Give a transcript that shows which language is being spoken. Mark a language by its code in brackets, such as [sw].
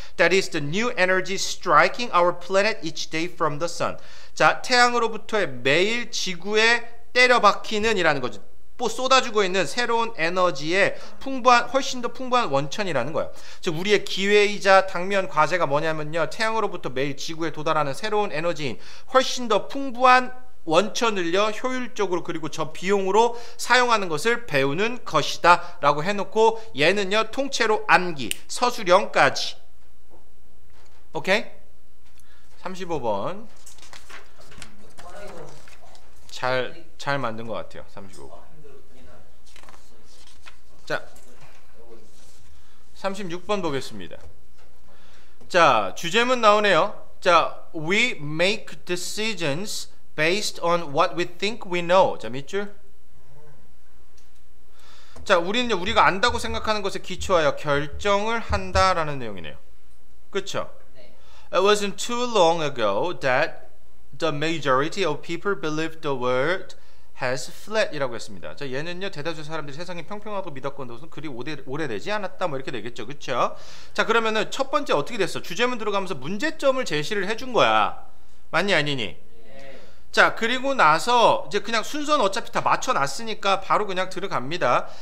[en] That is the new energy striking our planet each day from the sun. [ko] 자, 태양으로부터의 매일 지구에 때려박히는 이라는 거죠. 뭐 쏟아주고 있는 새로운 에너지의 풍부한, 훨씬 더 풍부한 원천이라는 거예요. 즉 우리의 기회이자 당면 과제가 뭐냐면요, 태양으로부터 매일 지구에 도달하는 새로운 에너지인 훨씬 더 풍부한 원천을요 효율적으로 그리고 저 비용으로 사용하는 것을 배우는 것이다 라고 해놓고 얘는요 통째로 암기 서술형까지. 오케이? 35번 잘 만든 것 같아요. 35번. 자, 36번 보겠습니다. 자, 주제문 나오네요. [en] 자, we make decisions based on what we think we know. [ko] 자, 밑줄. 자, 우리는 우리가 안다고 생각하는 것에 기초하여 결정을 한다라는 내용이네요. 그쵸? [en] It wasn't too long ago that the majority of people believed the world has flat [ko] 이라고 했습니다. 자, 얘는요, 대다수 사람들이 세상이 평평하고 믿었건 것은 그리 오래되지 않았다 뭐 이렇게 되겠죠. 그쵸? 자, 그러면은 첫 번째 어떻게 됐어? 주제문 들어가면서 문제점을 제시를 해준 거야. 맞니 아니니? 자, 그리고 나서 이제 그냥 순서는 어차피 다 맞춰놨으니까 바로 그냥 들어갑니다.